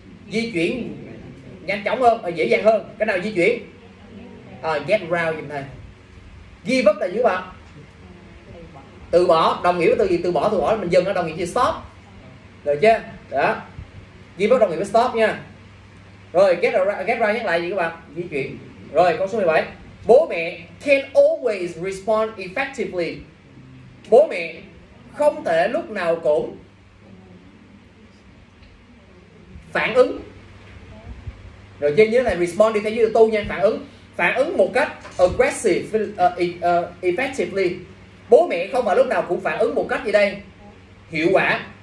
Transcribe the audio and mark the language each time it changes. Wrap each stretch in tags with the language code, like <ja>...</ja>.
<vi>Di chuyển nhanh chóng hơn, dễ dàng hơn. Cái nào di chuyển?</vi> <en>Get around</en> <vi>giùm thầy.</vi> <en>Give up</en> <vi>là gì các bạn? Từ bỏ, đồng nghĩa với từ gì? Từ bỏ mình dừng, đồng nghĩa với stop. Được chưa? Đó.</vi> <en>Give up</en> <vi>đồng nghĩa với stop nha. Rồi, get around nhắc lại gì các bạn? Di chuyển. Rồi, câu số 17. Bố mẹ</vi> <en>can always respond effectively.</en> <vi>Bố mẹ không thể lúc nào cũng phản ứng. Rồi trên nhớ là respond đi theo dưới tu nha, phản ứng. Phản ứng một cách aggressive, effectively. Bố mẹ không phải lúc nào cũng phản ứng một cách gì đây? Hiệu quả.</vi>